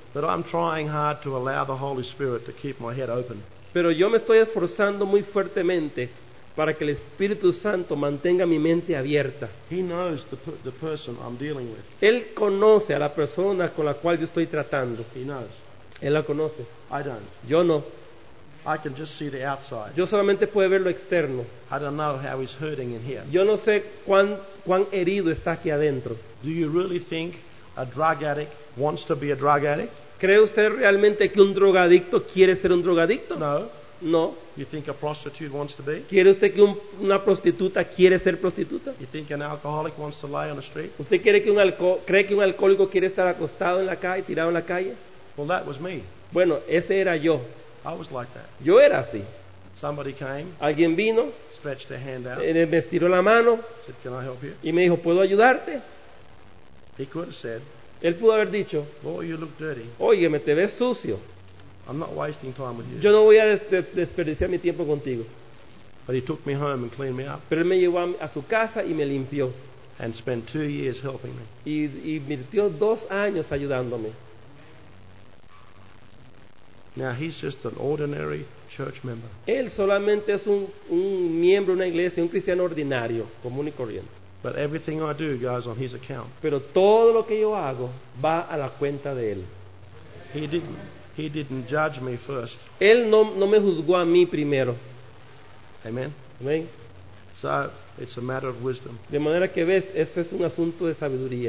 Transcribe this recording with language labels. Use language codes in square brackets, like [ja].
[en] But I'm trying hard to allow the Holy Spirit to keep my head open. [es] Pero yo me estoy esforzando muy fuertemente para que el Espíritu Santo mantenga mi mente abierta. [en] He knows the person I'm dealing with. [es] Él conoce a la persona con la cual yo estoy tratando. [en] He knows. [es] Él la conoce. [en] I don't. [es] Yo no. [en] I can just see the outside. [es] Yo solamente puedo ver lo externo. [en] I don't know how he's hurting in here. [es] Yo no sé cuán herido está aquí adentro. [en] Do you really think a drug addict wants to be a drug addict? [es] ¿Cree usted realmente que un drogadicto quiere ser un drogadicto? [en] No. [es] No. [en] You think a prostitute wants to be? [es] ¿Quiere usted que una prostituta quiere ser prostituta? [en] You think an alcoholic wants to lie on the street? [es] ¿Usted cree que un alcohólico quiere estar acostado en la calle, tirado en la calle? [en] Well, that was me. [es] Bueno, ese era yo. [en] I was like that. [es] Yo era así. [en] Somebody came. [es] Alguien vino. [en] Stretched their hand out. [es] Me estiró la mano. [en] Said, "Can I help you?" [es] Y me dijo, "¿Puedo ayudarte?" [en] He could have said. [es] Él pudo haber dicho. [en] Boy, you look dirty. [es] Oye, me te ves sucio. [en] I'm not wasting time with you. [es] Yo no voy a desperdiciar mi tiempo contigo. [en] But he took me home and cleaned me up. [es] Pero él me llevó a su casa y me limpió. [en] And spent 2 years helping me. [es] Y invirtió 2 años ayudándome. [en] Now he's just an ordinary church member. [es] Él solamente es un miembro de una iglesia, un cristiano ordinario, común y corriente. [en] But everything I do goes on his account. [es] Pero todo lo que yo hago va a la cuenta de él. [en] He didn't judge me first. [es] Él no me juzgó a mí primero. [en] Amen. [es] Amen. [en] So it's a matter of wisdom. [es] De manera que ves, ese es un asunto de sabiduría.